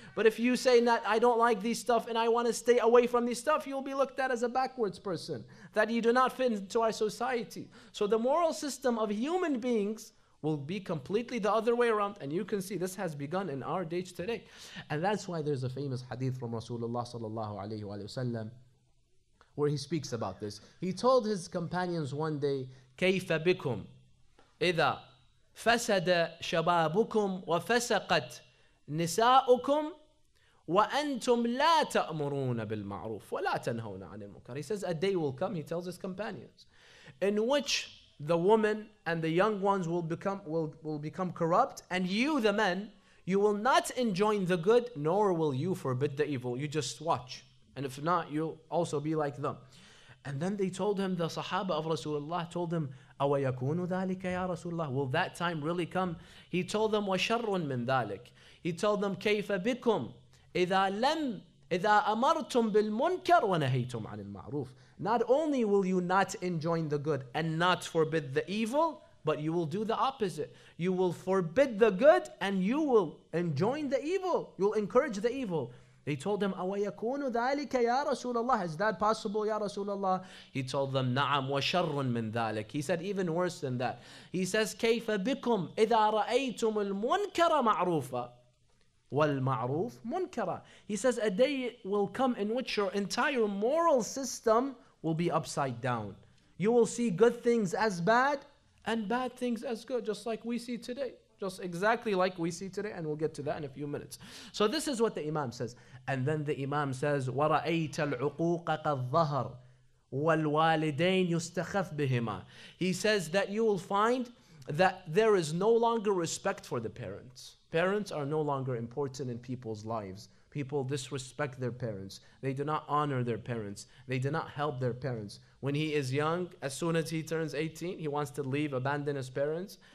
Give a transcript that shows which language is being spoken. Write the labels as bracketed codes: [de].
[en] But if you say that I don't like these stuff and I want to stay away from these stuff, you'll be looked at as a backwards person, that you do not fit into our society. So the moral system of human beings will be completely the other way around. And you can see this has begun in our days today. And that's why there's a famous hadith from Rasulullah sallallahu alayhi wa sallam where he speaks about this. He told his companions one day, [ar] كَيْفَ بِكُمْ إِذَا فَسَدَ شَبَابُكُمْ وَفَسَقَتْ نِسَاؤُكُمْ وَأَنْتُمْ لَا تَأْمُرُونَ بِالْمَعْرُوفِ وَلَا تَنْهَوْنَ عَنِ الْمُنْكَرِ. [en] He says, a day will come, he tells his companions, in which the woman and the young ones will become corrupt, and you, the men, you will not enjoin the good, nor will you forbid the evil. You just watch. And if not, you'll also be like them. And then they told him, the Sahaba of Rasulullah told him, [ar] أَوَيَكُونُ ذَلِكَ يَا رَسُولُ اللَّهِ. [en] Will that time really come? He told them, [ar] وَشَرٌ مِّن ذَلِكَ. [en] He told them, [ar] كَيْفَ بِكُمْ إِذَا أَمَرْتُمْ بِالْمُنْكَرْ وَنَهَيْتُمْ عَنِ الْمَعْرُوفِ. [en] Not only will you not enjoin the good and not forbid the evil, but you will do the opposite. You will forbid the good and you will enjoin the evil. You'll encourage the evil. They told him, [ar] أَوَيَكُونُ ذَٰلِكَ يَا رَسُولَ اللَّهِ. [en] Is that possible, [ar] يَا رَسُولَ اللَّهِ? [en] He told them, [ar] نَعَمْ وَشَرٌ مِّن ذَٰلِكَ. [en] He said, even worse than that. He says, [ar] كَيْفَ بِكُمْ إِذَا رَأَيْتُمُ الْمُنْكَرَ مَعْرُوفًا وَالْمَعْرُوفُ مُنْكَرًا. [en] He says, a day will come in which your entire moral system will be upside down. You will see good things as bad and bad things as good, just like we see today. Just exactly like we see today, and we'll get to that in a few minutes. So this is what the Imam says. And then the Imam says, [ar] وَرَأَيْتَ الْعُقُوقَ قَدْ ظَهَرْ وَالْوَالِدَيْنِ يُسْتَخَفْ بِهِمَا. [en] He says that you will find that there is no longer respect for the parents. Parents are no longer important in people's lives. People disrespect their parents. They do not honor their parents. They do not help their parents. When he is young, as soon as he turns 18, he wants to leave, abandon his parents.